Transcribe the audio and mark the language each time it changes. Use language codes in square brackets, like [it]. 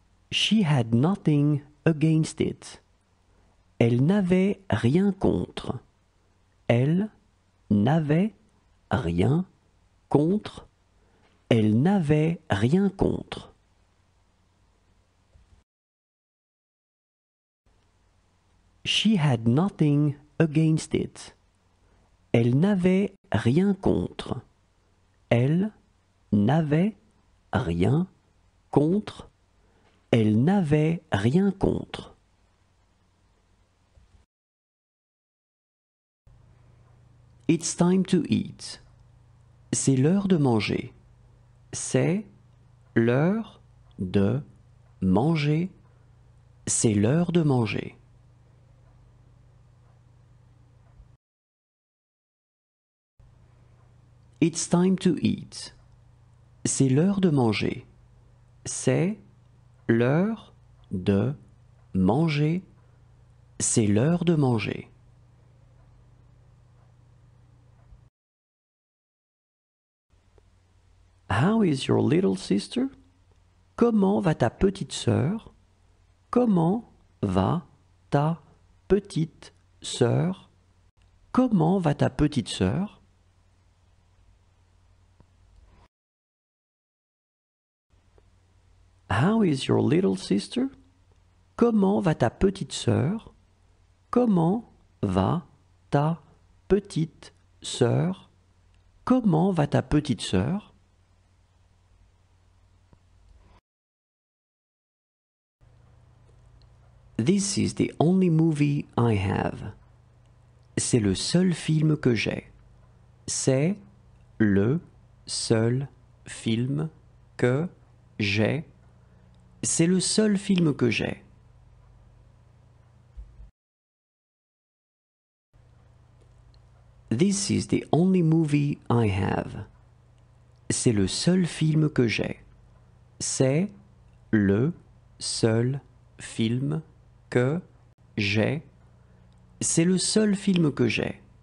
[en] She had nothing against it. [fr] Elle n'avait rien contre. Elle n'avait rien contre. Elle n'avait rien contre. [en] She had nothing against it. [fr] Elle n'avait rien contre. Elle n'avait rien contre. Elle n'avait rien contre. [en] It's time to eat. [fr] C'est l'heure de manger. C'est l'heure de manger. C'est l'heure de manger. [en] It's time to eat. [fr] C'est l'heure de manger. C'est l'heure de manger. C'est l'heure de manger. [en] How is your little sister? [fr] Comment va ta petite sœur? Comment va ta petite sœur? Comment va ta petite sœur? [en] How is your little sister? [fr] Comment va ta petite sœur? Comment va ta petite sœur? Comment va ta petite sœur? [en] This is the only movie I have. [fr] C'est le seul film que j'ai. C'est le seul film que j'ai. C'est le seul film que j'ai. [en] This is the only movie I have. [fr] C'est le seul film que j'ai. C'est le seul film que j'ai. C'est le seul film que j'ai.